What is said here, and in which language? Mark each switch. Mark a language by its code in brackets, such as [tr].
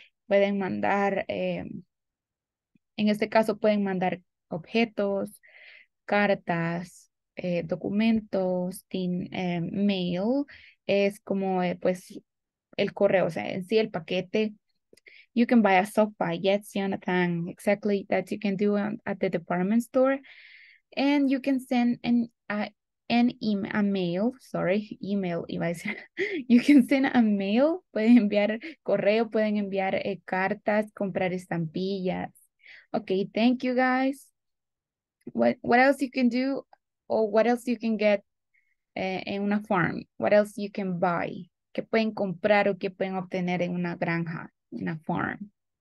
[es] Pueden mandar, en este caso pueden mandar objetos, cartas, documentos, mail, es como pues el correo, o sea, en sí el paquete. [en] You can buy a sofa, yes, Jonathan, exactly, that you can do at the department store. And you can send you can send a mail, [es] pueden enviar correo, pueden enviar cartas, comprar estampillas. [en] Okay, thank you guys. What else you can do? Or what else you can get [es] en una [en] farm? What else you can buy? [es] ¿Qué pueden comprar o qué pueden obtener en una granja, en a farm?